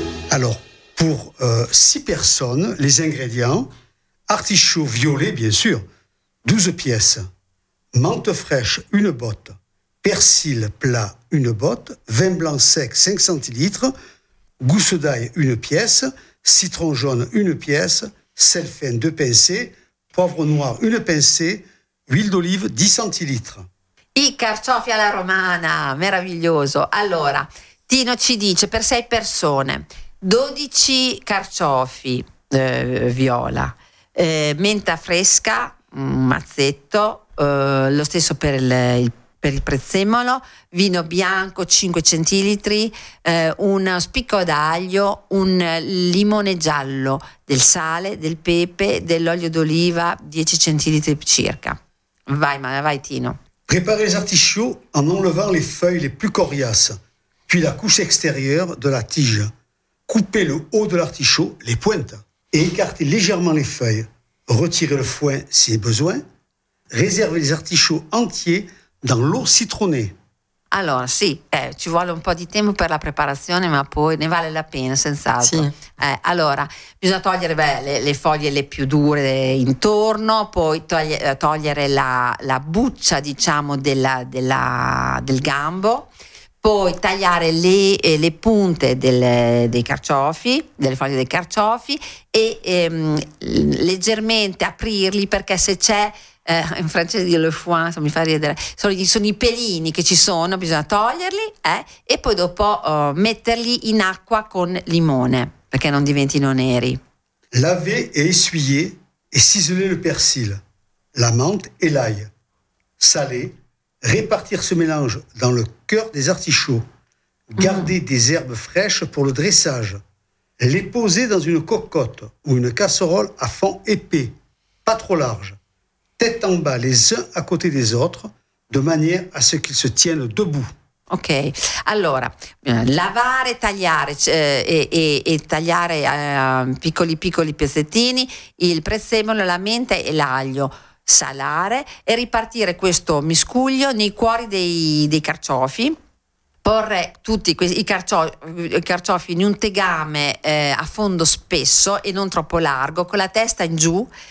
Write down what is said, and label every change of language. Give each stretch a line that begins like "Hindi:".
French: Alors, pour 6 personnes, les ingrédients, artichaut violet, bien sûr, 12 pièces, menthe fraîche, une botte, persil plat, une botte, vin blanc sec, 5 centilitres, gousse d'ail, une pièce, citron jaune, une pièce, sel fin, 2 pincées, poivre noir, une pincée, huile d'olive, 10 centilitres.
Italian: I carciofi alla romana, meraviglioso. Allora, Tino ci dice, per 6 persone... 12 carciofi viola, menta fresca, un mazzetto, lo stesso per il prezzemolo, vino bianco 5 centilitri, un spicco d'aglio, un limone giallo, del sale, del pepe, dell'olio d'oliva 10 centilitri circa. Vai Tino. Prepara gli
French: artichauts en enlevant les feuilles les plus coriaces, puis la couche extérieure de la tige. Coupez le haut de l'artichaut, les pointes, et écartez légèrement les feuilles. Retirez le foin si besoin. Réservez les artichauts entiers dans l'eau citronnée.
Italian: Alors, si, ci vuole un po' di tempo per la preparazione, ma poi ne vale la pena, senz'altro. Sì. Allora, bisogna togliere le foglie le più dure intorno, poi togliere la buccia, diciamo, del gambo. Poi tagliare le punte dei carciofi, delle foglie dei carciofi e leggermente aprirli, perché se c'è, in francese dire le foin, mi fa ridere, sono i pelini che ci sono, bisogna toglierli e poi dopo metterli in acqua con limone, perché non diventino neri.
French: Laver et essuyer et ciseler le persil, la menthe et l'ail, saler, Répartir ce mélange dans le cœur des artichauts. Garder des herbes fraîches pour le dressage. Les poser dans une cocotte ou une casserole à fond épais, pas trop large. Tête en bas, les uns à côté des autres, de manière à ce qu'ils se tiennent debout.
Italian: Ok, allora, lavare, tagliare e tagliare piccoli piccoli pezzettini il prezzemolo, la menta e l'aglio, salare e ripartire questo miscuglio nei cuori dei carciofi, porre tutti i carciofi in un tegame a fondo spesso e non troppo largo, con la testa in giù.